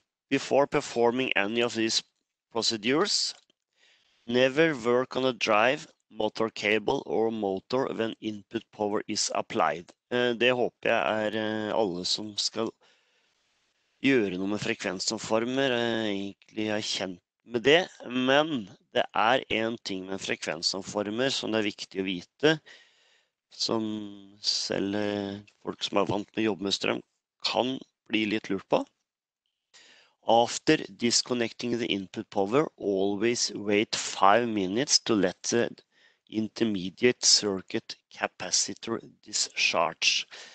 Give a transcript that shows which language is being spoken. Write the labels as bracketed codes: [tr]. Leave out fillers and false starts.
[en] Before performing any of these procedures, never work on a drive, motor cable or motor when input power is applied. [no] Det håper jeg er alle som skal gjøre noe med frekvensomformer egentlig er kjent med det. Men det er en ting med frekvensomformer som det er viktig å vite. Som selv folk som er vant med å jobbe med strøm kan bli litt lurt på. [en] After disconnecting the input power, always wait 5 minutes to let the intermediate circuit capacitor discharge.